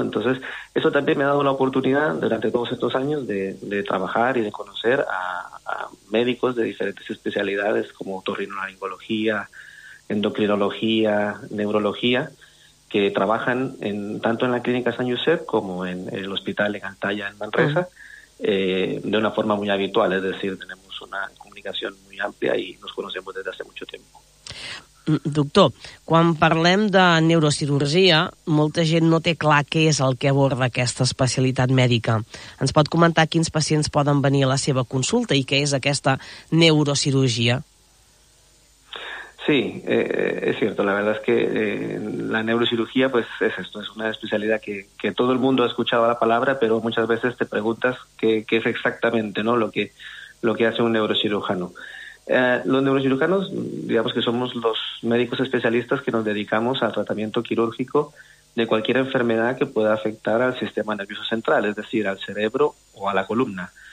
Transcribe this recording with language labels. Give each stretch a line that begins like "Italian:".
Spanish: Entonces, eso también me ha dado la oportunidad durante todos estos años de trabajar y de conocer a médicos de diferentes especialidades como otorrinolaringología, endocrinología, neurología, que trabajan en, tanto en la clínica San Josep como en el hospital en Antalya, en Manresa, de una forma muy habitual, es decir, tenemos una comunicación muy amplia y nos conocemos desde hace mucho tiempo.
Catalan: Doctor, quan parlem de neurocirurgia, molta gent no té clar què és el que aborda aquesta especialitat mèdica. Ens pot comentar quins pacients poden venir a la seva consulta i què és aquesta neurocirurgia?
Spanish: Sí, es cierto, la verdad es que la neurocirugía pues es esto, es una especialidad que todo el mundo ha escuchado la palabra, pero muchas veces te preguntas qué es exactamente, ¿no? lo que hace un neurocirujano. Los neurocirujanos, digamos que somos los médicos especialistas que nos dedicamos al tratamiento quirúrgico de cualquier enfermedad que pueda afectar al sistema nervioso central, es decir, al cerebro o a la columna.